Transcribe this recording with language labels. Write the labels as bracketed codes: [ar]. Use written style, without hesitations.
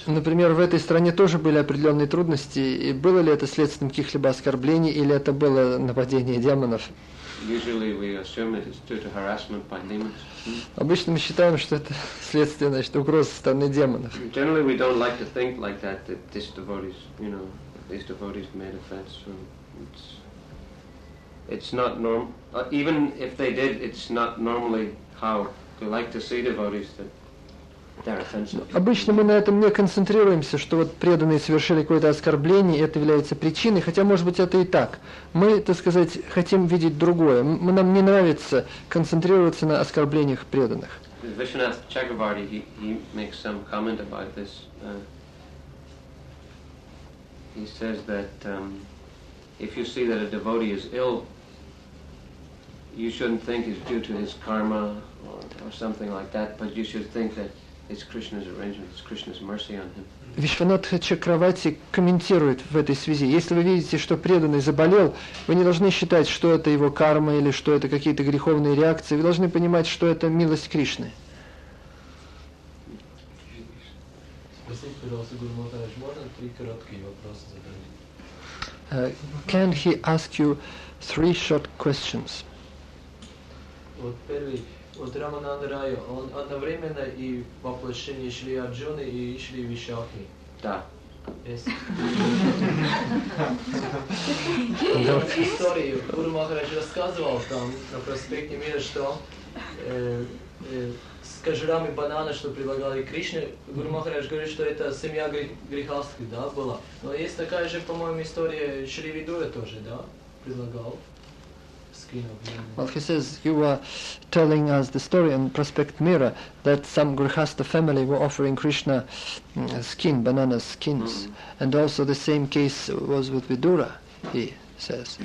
[ru] Например, в этой стране тоже были определенные трудности, и было ли это следствием каких-либо оскорблений или это было нападение демонов? [en] Usually we assume it is due to harassment by demons. [ru] Обычно мы считаем, что это следствие, значит, угроз со стороны демонов. [en] Generally we don't like to think like that, that this devotee's, you know, this devotee's made offense. It's not normal. Even if they did, it's not normally how we like to see devotees that they're offensive. [ru] Обычно мы на этом не концентрируемся, что вот преданные совершили какое-то оскорбление, и это является причиной, хотя, может быть, это и так. Мы, так сказать, хотим видеть другое. Нам не нравится концентрироваться на оскорблениях преданных. [en] Vishwanath Chakravarti, he makes some comment about this. He says that if you see that a devotee is ill, you shouldn't think it's due to his karma or something like that, but you should think that it's Krishna's arrangement, it's Krishna's mercy on him. [ru] Вишванатха Чакравати комментирует в этой связи. Если вы видите, что преданный заболел, вы не должны считать, что это его карма или что это какие-то греховные реакции. Вы должны понимать, что это милость Кришны. Спасибо, пожалуйста, Гуру Махарадж. Можно три короткие вопроса задать? [en] Can he ask you three short questions? [ru] Вот первый, вот Рамананда Райо, он одновременно и воплощение Шри Арджуны и Шри Вишакхи. Да. Историю Гуру Махарадж рассказывал там на проспекте Мира, что с кожурами банана, что предлагали Кришне, Гуру Махарадж говорит, что это семья грихастхи, да, была. Но есть такая же, по-моему, история Шри Видуя тоже, да, предлагал. [en] Well, he says, you were telling us the story on Prospect Mira that some Grihastha family were offering Krishna skin, banana skins. Mm. And also the same case was with Vidura, he says.